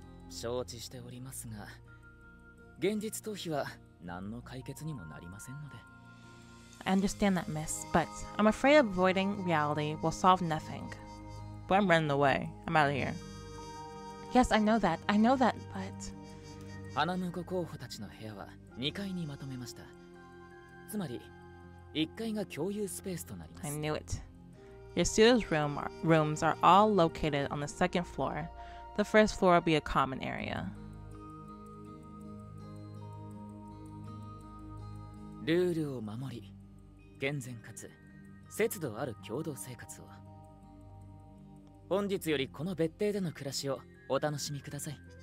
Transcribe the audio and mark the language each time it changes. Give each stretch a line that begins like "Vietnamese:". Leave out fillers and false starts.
Japanese: 承知しておりますが、現実逃避は何の解決にもなりませんので。
English: I understand that, miss, but I'm afraid avoiding reality will solve nothing. But I'm running away. I'm out of here. Yes, I know that, but...
Japanese: 花婿候補たちの部屋は2階にまとめました。つまり、1階が共有スペースとなります。
English: I knew it. Your suitor's rooms are all located on the second floor. The first floor will be a common area.
Japanese: ルールを守り、厳然かつ節度ある共同生活を。本日よりこの別邸での暮らしをお楽しみください。